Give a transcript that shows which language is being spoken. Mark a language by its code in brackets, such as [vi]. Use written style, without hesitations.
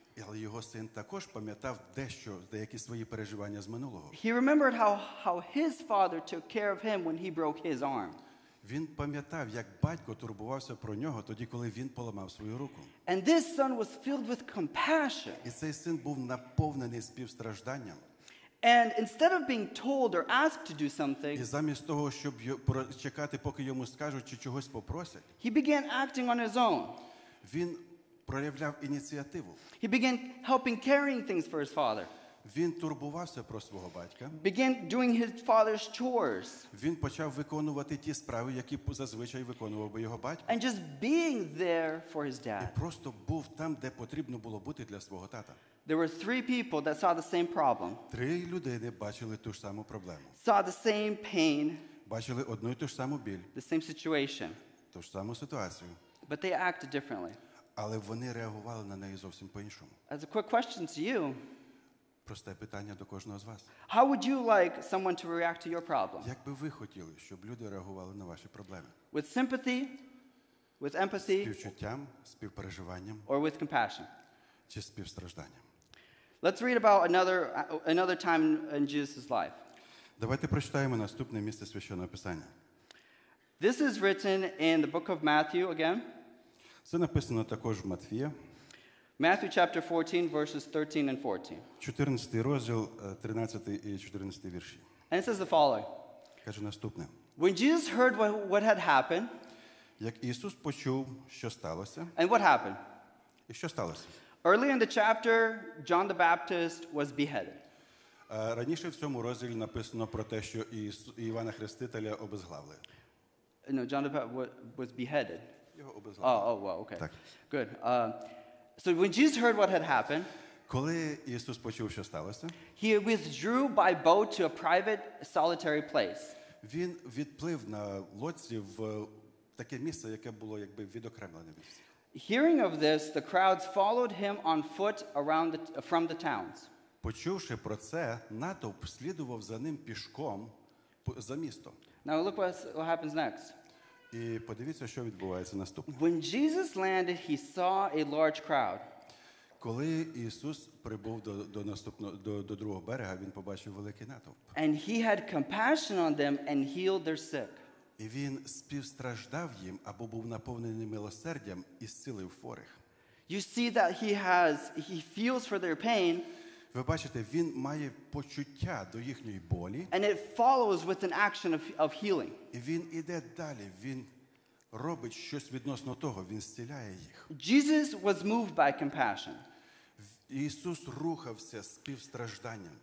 [uk] Але його син також пам'ятав дещо, деякі свої переживання з минулого. [en] He remembered how his father took care of him when he broke his arm. [uk] Він пам'ятав, як батько турбувався про нього тоді, коли він поламав свою руку. [en] And this son was filled with compassion. [uk] І цей син був наповнений співстражданням. [en] And instead of being told or asked to do something, [uk] і замість того, щоб чекати, поки йому скажуть чи чогось попросять, [en] he began acting on his own. [uk] Він проявляв ініціативу. [en] He began helping carrying things for his father. [uk] Він турбувався про свого батька. [en] Began doing his father's chores. [uk] Він почав виконувати ті справи, які зазвичай виконував би його батько. [en] And just being there for his dad. [uk] І просто був там, де потрібно було бути для свого тата. [en] There were three people that saw the same problem. [uk] Три людини бачили ту ж саму проблему. [en] Saw the same pain. [uk] Бачили одну і ту ж саму біль. [en] The same situation. [uk] Ту ж саму ситуацію. [en] But they acted differently. [uk] Але вони реагували на неї зовсім по-іншому. [en] As a quick question to you. [uk] Просте питання до кожного з вас. [en] How would you like someone to react to your problem? [uk] Як би ви хотіли, щоб люди реагували на ваші проблеми? [en] With sympathy? With empathy? [uk] З співчуттям, співпереживанням? [en] Or with compassion? [uk] Чи співстражданням? [en] Let's read about another time in Jesus' life. [uk] Давайте прочитаємо наступне місце священного писання. [en] This is written in the book of Matthew again. [uk] Це написано також в Матфія. [en] Matthew chapter 14 verses 13 and 14. [uk] 14 розділ, 13 і 14 вірші. [en] And it says the following. [uk] Каже наступне. [en] When Jesus heard what had happened, [uk] як Ісус почув, що сталося? [en] And what happened? [uk] І що сталося? [en] Early in the chapter, John the Baptist was beheaded. [uk] Раніше в цьому розділі написано про те, що Івана Хрестителя обезглавили. [en] No, John the Baptist was beheaded. [uk] Його обезглавили. [en] Oh, wow, okay. [uk] Так. [en] Good. So when Jesus heard what had happened, [uk] коли Ісус почув, що сталося, [en] he withdrew by boat to a private, solitary place. [uk] Він відплив на лодці в таке місце, яке було якби відокремлене від всіх. [en] Hearing of this, the crowds followed him on foot around from the towns. [uk] Почувши про це, натовп слідував за ним пішком за місто. [en] Now look what happens next. [uk] І подивіться, що відбувається наступне. [en] When Jesus landed, he saw a large crowd. [uk] Коли Ісус прибув до другого берега, він побачив великий натовп. [en] And he had compassion on them and healed their sick. [uk] І він співстраждав їм, або був наповнений милосердям і зцілив хворих. [en] You see that he feels for their pain. [uk] Ви бачите, він має почуття до їхньої болі. [en] And it follows with an action of healing. [uk] І він іде далі, він робить щось відносно того, він зціляє їх. [en] Jesus was moved by compassion. [uk] Ісус рухався співстражданням.